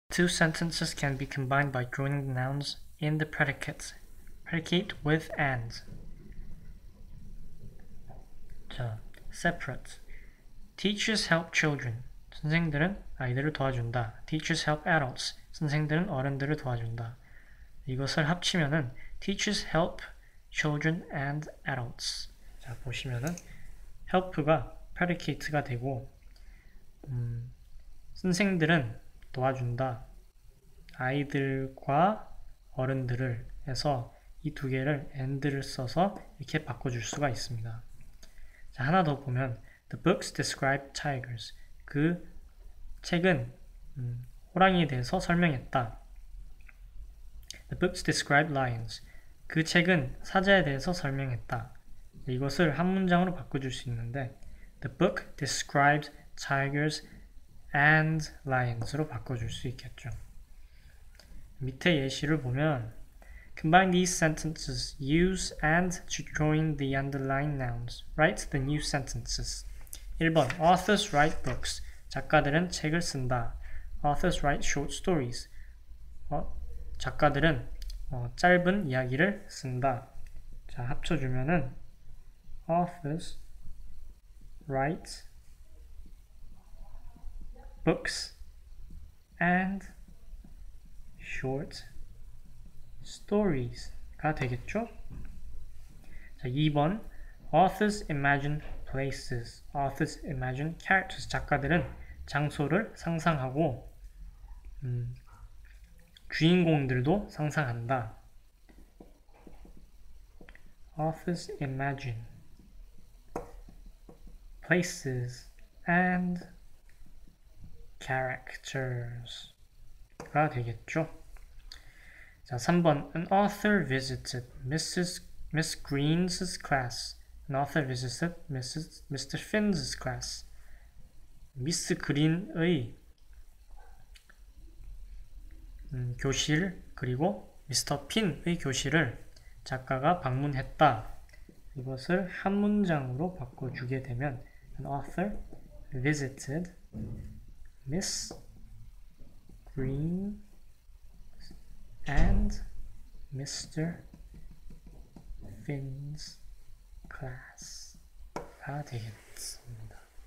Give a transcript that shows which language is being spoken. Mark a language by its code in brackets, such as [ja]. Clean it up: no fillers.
[en] Two sentences can be combined by joining the nouns in the predicate with and. 자, separate. Teachers help children. [ko] 선생들은 아이들을 도와준다. [en] Teachers help adults. [ko] 선생들은 어른들을 도와준다. 이것을 합치면은 [en] teachers help children and adults. [ko] 자, 보시면은 help가 predicate가 되고 선생들은 도와준다. 아이들과 어른들을 해서 이 두 개를 and를 써서 이렇게 바꿔줄 수가 있습니다. 자, 하나 더 보면 [en] The books describe tigers. [ko] 그 책은 호랑이에 대해서 설명했다. [en] The books describe lions. [ko] 그 책은 사자에 대해서 설명했다. 이것을 한 문장으로 바꿔줄 수 있는데 [en] The book describes tigers and lions [ko] 로 바꿔줄 수 있겠죠. 밑에 예시를 보면 [en] Combine these sentences. Use and to join the underlined nouns. Write the new sentences. [ko] 1번 [en] Authors write books. [ko] 작가들은 책을 쓴다. [en] Authors write short stories. [ko] 작가들은 짧은 이야기를 쓴다. 자, 합쳐주면은 [en] Authors write books and short stories가 [ko] 되겠죠? [en] 자, 2번 Authors imagine places. Authors imagine characters. [ko] 작가들은 장소를 상상하고 주인공들도 상상한다. [en] Authors imagine places and characters가 [ko] 되겠죠? [en] 자, 3번 An author visited Miss Green's class. An author visited Mr. Finn's class. [ko] 미스 그린의 교실 그리고 미스터 핀의 교실을 작가가 방문했다. 이것을 한 문장으로 바꿔주게 되면 [en] An author visited Miss Green and Mr. Finn's class가 [ko] 되겠습니다.